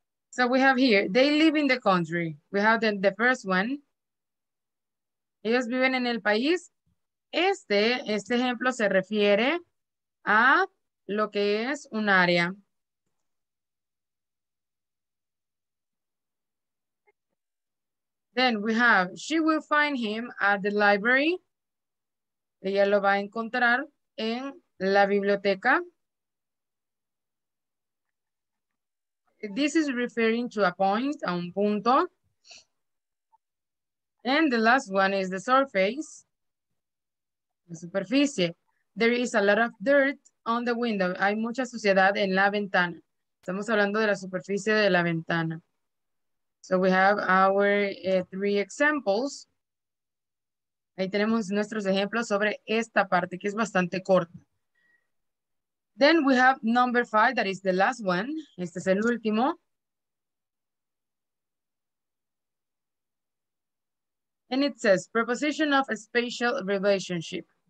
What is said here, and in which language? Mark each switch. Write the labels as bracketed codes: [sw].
[en] So we have here, they live in the country. We have the first one. [es] Ellos viven en el país. Este ejemplo se refiere a lo que es un área. [en] Then we have, she will find him at the library. [es] Ella lo va a encontrar en la biblioteca. [en] This is referring to a point, [es] a un punto. [en] And the last one is the surface, [es] la superficie. [en] There is a lot of dirt on the window. [es] Hay mucha suciedad en la ventana. Estamos hablando de la superficie de la ventana. [en] So we have our three examples. [es] Ahí tenemos nuestros ejemplos sobre esta parte que es bastante corta. [en] Then we have number five, that is the last one. [es] Este es el último. [en] And it says, preposition of a spatial relationship.